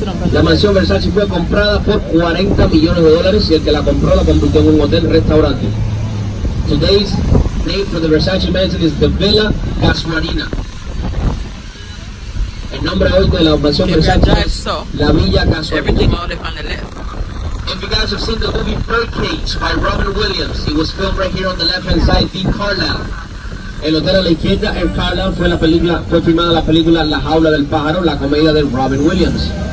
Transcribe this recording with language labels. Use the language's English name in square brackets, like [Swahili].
[Spanish] La mansión Versace fue comprada por $40 millones y el que la compró la convirtió en un hotel restaurante. [English] Today's name for the Versace mansion is the Villa Casuarina. [Spanish] El nombre hoy de la mansión Versace es la Villa Casuarina. [English] If you guys have seen the movie Birdcage by Robin Williams, it was filmed right here on the left hand side, the Carlisle. [Spanish] El hotel a la izquierda, el Carlisle, fue filmada la película La Jaula del Pájaro, la comedia de Robin Williams.